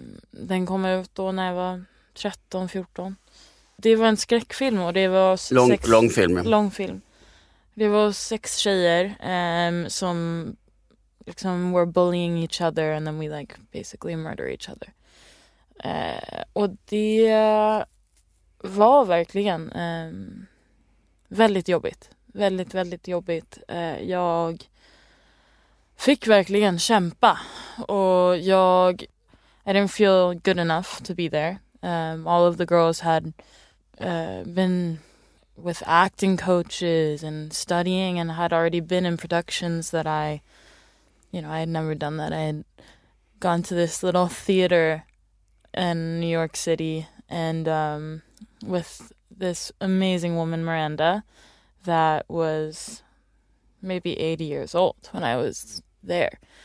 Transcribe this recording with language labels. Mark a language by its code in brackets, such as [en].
[sv] Den kom ut då när jag var 13-14. Det var en skräckfilm och det var lång film. Det var 6 tjejer som liksom [en] were bullying each other and then we like basically murder each other. [sv] Och det var verkligen väldigt jobbigt. Väldigt, väldigt jobbigt. Jag fick verkligen kämpa och jag [en] I didn't feel good enough to be there. All of the girls had been with acting coaches and studying and had already been in productions that I, you know, I had never done that. I had gone to this little theater in New York City and with this amazing woman, Miranda, that was maybe 80 years old when I was there.